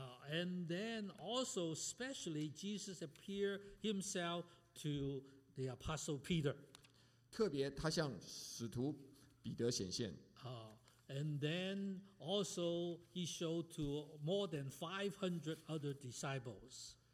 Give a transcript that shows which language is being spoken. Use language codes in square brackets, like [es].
[en] And then also especially Jesus appeared himself to the apostle Peter. [zh] 特别他向使徒彼得显现。 [en] And then also he showed to more than 500 other disciples.